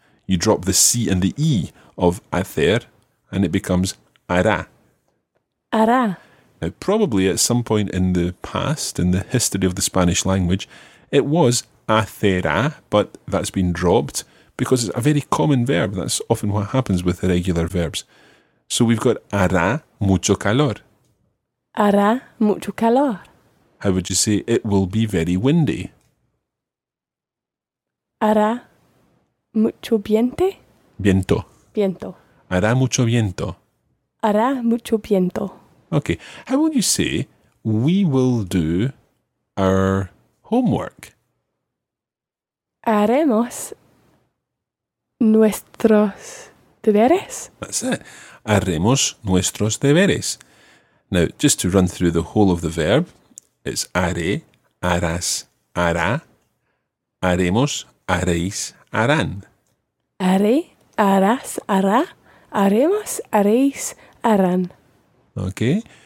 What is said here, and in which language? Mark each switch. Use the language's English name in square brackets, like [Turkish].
[English] You drop the C and the E of hacer and it becomes hará. [Spanish] Hará. [English] Now, probably at some point in the past, in the history of the Spanish language, it was hacerá, but that's been dropped because it's a very common verb. That's often what happens with irregular verbs. So we've got [Spanish] hará mucho calor. Hará mucho calor. [English] How would you say it will be very windy? [Spanish] Hará mucho viento. Viento. Viento. Hará mucho viento. Hará mucho viento. [English] Okay. How will you say we will do our homework? [Spanish] Haremos nuestros deberes. [English] That's it. [Spanish] Haremos nuestros deberes. [English] Now, just to run through the whole of the verb, it's [Spanish] haré, harás, hará. Haremos, haréis, harán. Haré, harás, hará. Haremos, haréis, harán. [English] Okay.